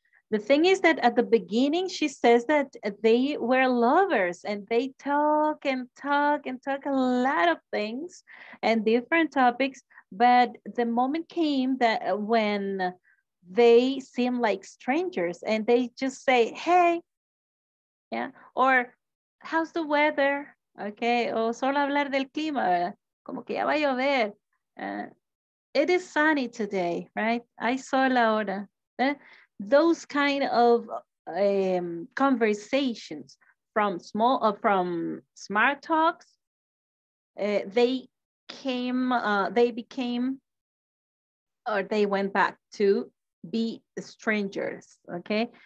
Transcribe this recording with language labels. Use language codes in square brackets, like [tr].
[en] The thing is that at the beginning, she says that they were lovers and they talk and talk and talk a lot of things and different topics. But the moment came that when they seem like strangers and they just say, hey, yeah, or how's the weather? [es] Okay, o solo hablar del clima, como que ya va a llover. [en] It is sunny today, right? [es] Hay sol ahora. [en] Those kind of conversations from smart talks, they went back to be strangers, okay?